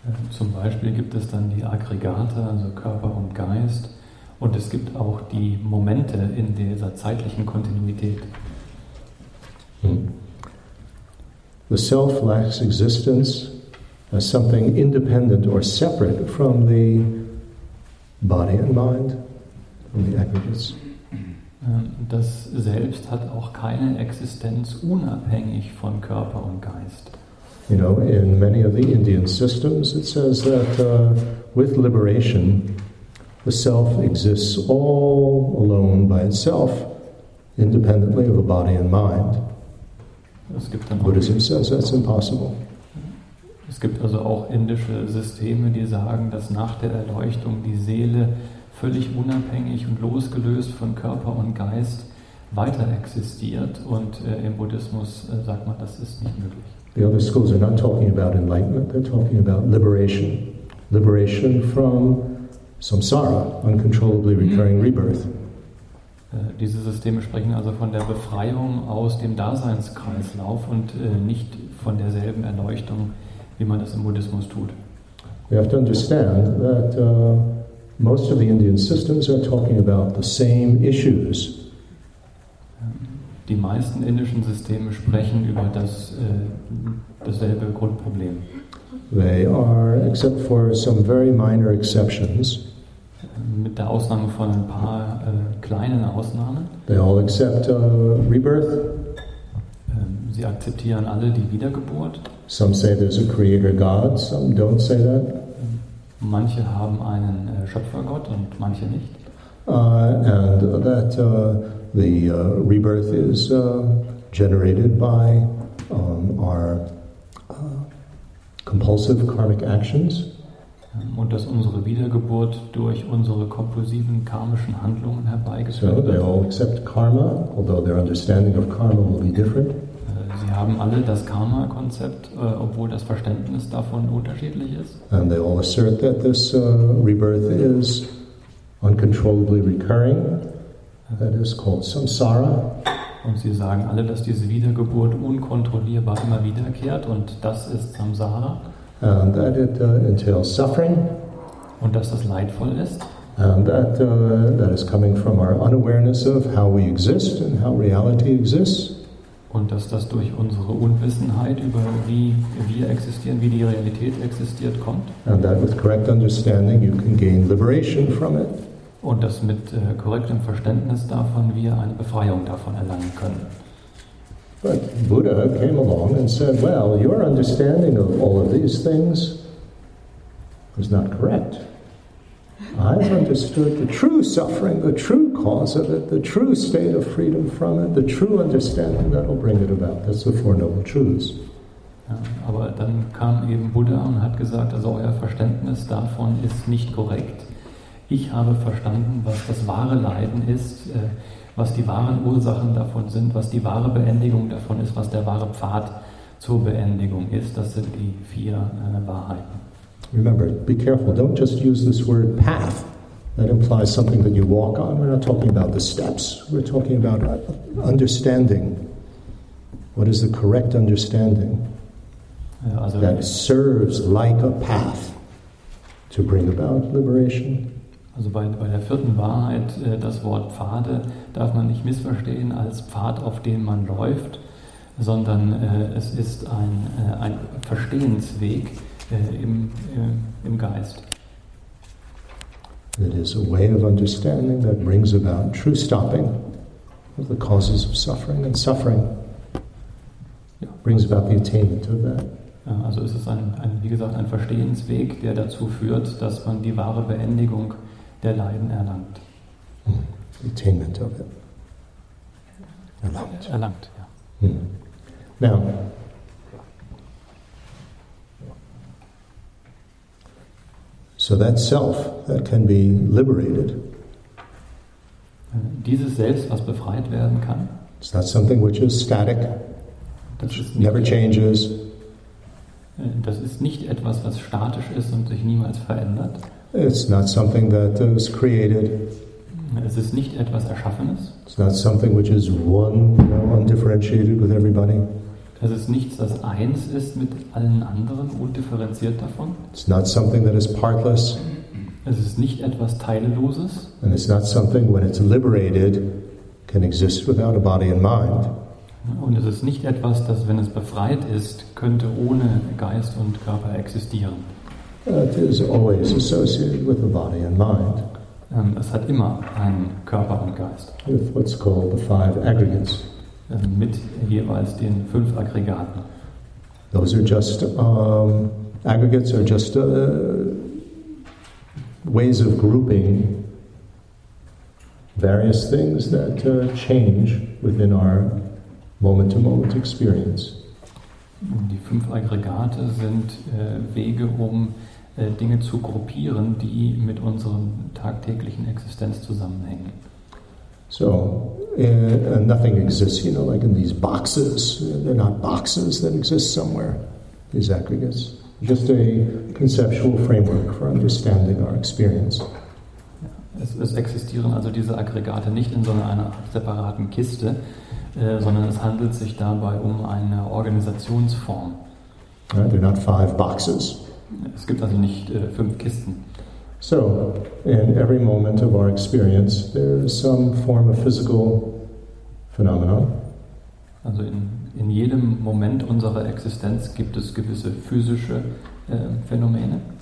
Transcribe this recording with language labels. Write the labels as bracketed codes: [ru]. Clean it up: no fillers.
[de] Zum Beispiel gibt es dann die Aggregate, also Körper und Geist, und es gibt auch die Momente in dieser zeitlichen Kontinuität. Hm. [en] The self lacks existence as something independent or separate from the body and mind, from the aggregates. [de] Das Selbst hat auch keine Existenz unabhängig von Körper und Geist. [en] You know, in many of the Indian systems it says that with liberation the self exists all alone by itself, independently of a body and mind. [de] Es gibt dann [en] Buddhism [de] auch, [en] says that's impossible. [de] Es gibt also auch indische Systeme, die sagen, dass nach der Erleuchtung die Seele völlig unabhängig und losgelöst von Körper und Geist weiter existiert. Und im Buddhismus sagt man, das ist nicht möglich. [en] The other schools are not talking about enlightenment, they're talking about liberation. Liberation from samsara, uncontrollably recurring rebirth. [de] Diese Systeme sprechen also von der Befreiung aus dem Daseinskreislauf und nicht von derselben Erleuchtung, wie man das im Buddhismus tut. [en] We have to understand that most of the Indian systems are talking about the same issues. [de] Die meisten indischen Systeme sprechen über das dasselbe Grundproblem. [en] They are, except for some very minor exceptions, [de] mit der Ausnahme von ein paar kleinen Ausnahmen. [en] They all accept rebirth. [de] Sie akzeptieren alle die Wiedergeburt. [en] Some say there's a creator God, some don't say that. [de] Manche haben einen Schöpfergott und manche nicht. [en] And that the rebirth is generated by our compulsive karmic actions. [de] Und dass unsere Wiedergeburt durch unsere kompulsiven karmischen Handlungen herbeigeführt wird. [en] So they all accept karma, although their understanding of karma will be different. [de] Sie haben alle das Karma-Konzept, obwohl das Verständnis davon unterschiedlich ist. [en] And they all assert that this rebirth is uncontrollably recurring. That is called samsara. [de] Und sie sagen alle, dass diese Wiedergeburt unkontrollierbar immer wiederkehrt, und das ist samsara. [en] And that it entails suffering. [de] Und dass das leidvoll ist. [en] And that that is coming from our unawareness of how we exist and how reality exists. [de] Und dass das durch unsere Unwissenheit über wie wir existieren, wie die Realität existiert, kommt. [en] And that with correct understanding you can gain liberation from it. [de] Und dass mit korrektem Verständnis davon wir eine Befreiung davon erlangen können. [en] But Buddha came along and said, well, your understanding of all of these things is not correct. I've understood the true suffering, the true cause of it, the true state of freedom from it, the true understanding that will bring it about. That's the Four Noble Truths. [de] Ja, aber dann kam eben Buddha und hat gesagt, also euer Verständnis davon ist nicht korrekt. Ich habe verstanden, was das wahre Leiden ist, was die wahren Ursachen davon sind, was die wahre Beendigung davon ist, was der wahre Pfad zur Beendigung ist. Das sind die vier Wahrheiten. [en] Remember, be careful. Don't just use this word path. That implies something that you walk on. We're not talking about the steps. We're talking about understanding. What is the correct understanding that serves like a path to bring about liberation? [de] Also bei der vierten Wahrheit, das Wort Pfade, darf man nicht missverstehen als Pfad, auf dem man läuft, sondern es ist ein Verstehensweg im Geist. [en] It is a way of understanding that brings about true stopping of the causes of suffering, and suffering brings about the attainment of that. [de] Also es ist ein, wie gesagt, ein Verstehensweg, der dazu führt, dass man die wahre Beendigung der Leiden erlangt. [en] Attainment of it. [de] Erlangt, ja. [en] Now, so that self that can be liberated. [de] Dieses Selbst, was befreit werden kann. [en] It's not something which is static. [de] Das ist [en] never changes. [de] Das ist nicht etwas, was statisch ist und sich niemals verändert. [en] It's not something that is created. [de] Es ist nicht etwas Erschaffenes. [en] It's not something which is one, you know, undifferentiated with everybody. [de] Es ist nichts, das eins ist mit allen anderen, undifferenziert davon. [en] It's not something that is partless. [de] Es ist nicht etwas Teilloses. [en] And it's not something, when it's liberated, can exist without a body and mind. [de] Und es ist nicht etwas, das, wenn es befreit ist, könnte ohne Geist und Körper existieren. [en] It is always associated with a body and mind. [de] Es hat immer einen Körper und Geist. [en] With what's called the five aggregates. [de] Mit jeweils den fünf Aggregaten. [en] Those are just aggregates are just ways of grouping various things that change within our moment-to-moment experience. [de] Die fünf Aggregate sind Wege, um Dinge zu gruppieren, die mit unserem tagtäglichen Existenz zusammenhängen. [en] So, nothing exists, you know, like in these boxes. They're not boxes that exist somewhere, these aggregates. Just a conceptual framework for understanding our experience. [de] Ja, es existieren also diese Aggregate nicht in so einer separaten Kiste, sondern es handelt sich dabei um eine Organisationsform. [en] Right, they're not five boxes. [de] Es gibt also nicht fünf Kisten. [en] So, in every moment of our experience, there is some form of physical phenomenon. [de] Also in jedem Moment unserer Existenz gibt es gewisse physische Phänomene.